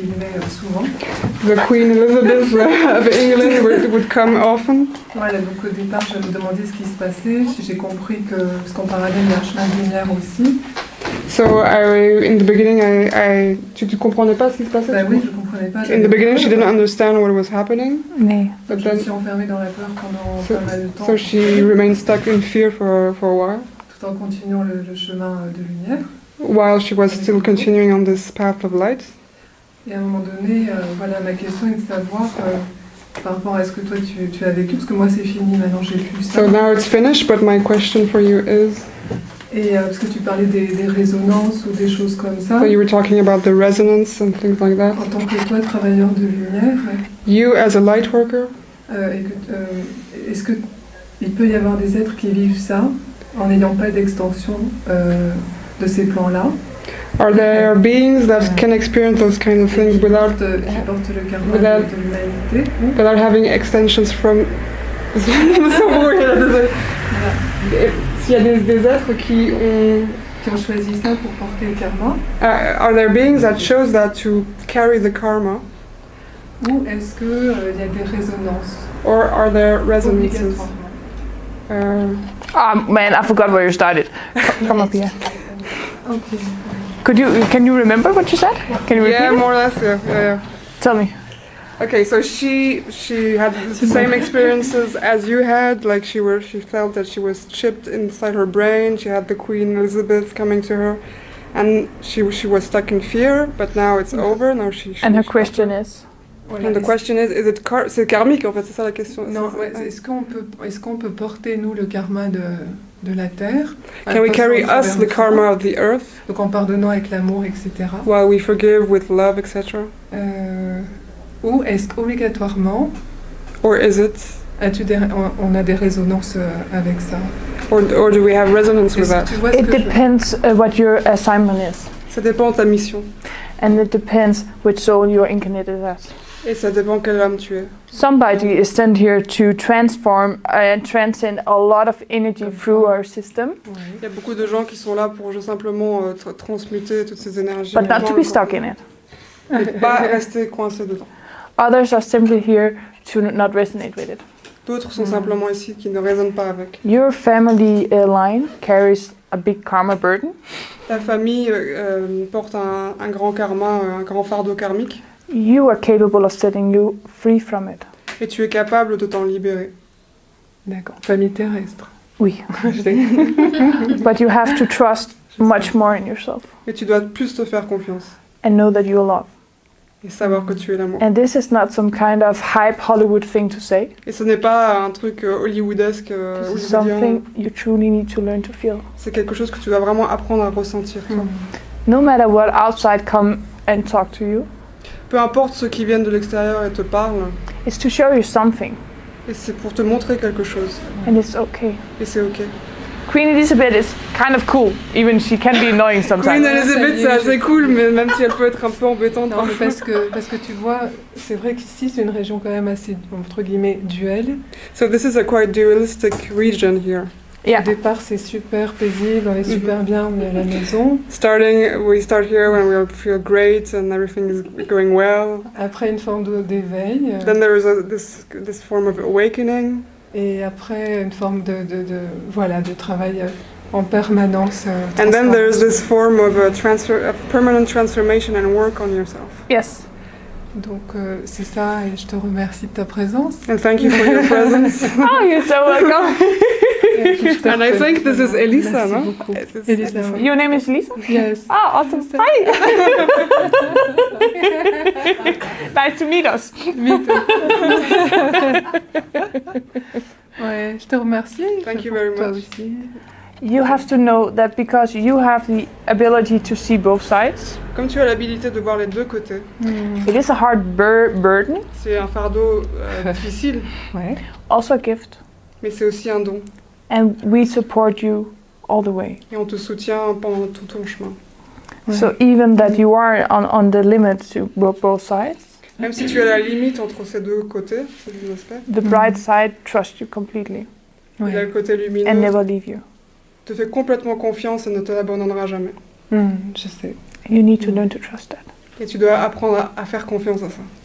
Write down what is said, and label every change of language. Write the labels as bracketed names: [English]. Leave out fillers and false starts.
[English] The Queen Elizabeth of England would come often. [French] Voilà, donc au départ, je me demandais ce qui se passait. Si j'ai compris que ce qu'on parlait de la chemin de lumière aussi. [English] So I, in the beginning, I [French] tu comprenais pas ce qui se passait. Bah oui, je comprenais pas. [English] In the beginning, she didn't understand what was happening. Nee. But then, [French] je me suis enfermée dans la peur pendant pas mal de temps. [English] So she remained stuck in fear for a while. [French] Tout en continuant le chemin de lumière. [English] While she was still continuing on this path of light. [French] Et à un moment donné, voilà, ma question est de savoir par rapport à ce que toi tu as vécu, parce que moi c'est fini, maintenant j'ai plus ça. [English] So now it's finished, but my question for you is. [French] Et parce que tu parlais des résonances ou des choses comme ça. [English] So you were talking about the resonance and things like that. [French] En tant que toi, travailleur de lumière. [English] You as a light worker. [French] Est-ce que il peut y avoir des êtres qui vivent ça en n'ayant pas d'extension? De ces plans-là. [English] Are there beings that can experience those kind of things without, without having extensions from [French] qui ont choisi ça pour porter le karma? [English] Are there beings that chose that to carry the karma? [French] Ou est-ce que y a des résonances? [English] Or are there resonances? Ah, man, I forgot where you started. Come up here. Okay. Can you remember what you said? Can you repeat? Yeah, more or less. Yeah, yeah, yeah. Tell me. Okay, so she had the same experiences as you had. Like she felt that she was chipped inside her brain. She had the Queen Elizabeth coming to her, and she was stuck in fear. But now it's over. Now she and her question is. And the question is it [French] c'est karmique en fait, c'est ça la question. Non, est-ce qu'on peut porter nous le karma de la terre? [English] Can we carry us the karma of the earth? [French] Donc en pardonnant avec l'amour, etc. [English] While we forgive with love, etc. [French] Ou est-ce obligatoirement? [English] Or is it? [French] On a des résonances avec ça. [English] Or do we have resonance with that? It depends what your assignment is. [French] Ça dépend de ta mission. [English] And it depends which soul you are incarnated as. [French] Et ça dépend quelle âme tu es. [English] Somebody is sent here to transform and transcend a lot of energy through our system. [French] Il y a beaucoup de gens qui sont là pour simplement transmuter toutes ces énergies. [English] But not to be stuck in it. [French] Et pas rester coincé dedans. [English] Others are simply here to not resonate with it. [French] D'autres sont simplement ici qui ne résonnent pas avec. [English] Your family line carries a big karma burden. [French] Ta famille porte un grand karma, un grand fardeau karmique. [English] You are capable of setting you free from it. [French] Et tu es capable de t'en libérer. D'accord. Famille terrestre. Oui. [English] But you have to trust much more in yourself. [French] Et tu dois plus te faire confiance. [English] And know that you are love. [French] Et savoir que tu es l'amour. [English] And this is not some kind of hype Hollywood thing to say. [French] Et ce n'est pas un truc hollywoodesque. [English] This is something you truly need to learn to feel. [French] C'est quelque chose que tu dois vraiment apprendre à ressentir. Toi. [English] No matter what outside come and talk to you. [French] Peu importe ceux qui viennent de l'extérieur et te parlent. [English] It's to show you something. [French] Et c'est pour te montrer quelque chose. [English] And it's okay. [French] Et c'est okay. [English] Queen Elizabeth is kind of cool, even she can be annoying sometimes. [French] Queen Elizabeth, c'est assez cool, mais même si elle peut être un peu embêtante. Non, parce que tu vois, c'est vrai qu'ici c'est une région quand même assez entre guillemets duel. [English] So this is a quite dualistic region here. Yeah. [French] Au départ, c'est super paisible, on est super bien, on est à la maison. [English] We start here when we feel great and everything is going well. [French] Après, une forme d'éveil. [English] Then there is this form of awakening. [French] Et après, une forme de travail en permanence. [English] And then there is this form of permanent transformation and work on yourself. Yes. [French] Donc c'est ça, et je te remercie de ta présence. [English] And thank you for your presence. Oh, you're so welcome. And I think this is Elisa, no? Elisa. Your name is Elisa? Yes. Ah, oh, awesome. Hi. Nice to meet us. Me too. [French] Ouais, je te remercie. [English] Thank you very much. [French] Aussi. [English] You have to know that because you have the ability to see both sides. [French] Comme tu as l'habilité de voir les deux côtés. [English] It is a hard burden. [French] C'est un fardeau difficile. [English] Ouais. Also a gift. [French] Mais c'est aussi un don. [English] And we support you all the way. [French] Et on te soutient pendant tout ton chemin. Ouais. [English] So even that you are on the limit to both sides. [French] Même si tu as la limite entre ces deux côtés, ces deux aspects. [English] The bright side trusts you completely. [French] Ouais. Et le côté lumineux. [English] And never leave you. [French] Te fait complètement confiance et ne te l'abandonnera jamais. Je sais. [English] You need to learn to trust that. [French] Et tu dois apprendre à faire confiance à ça.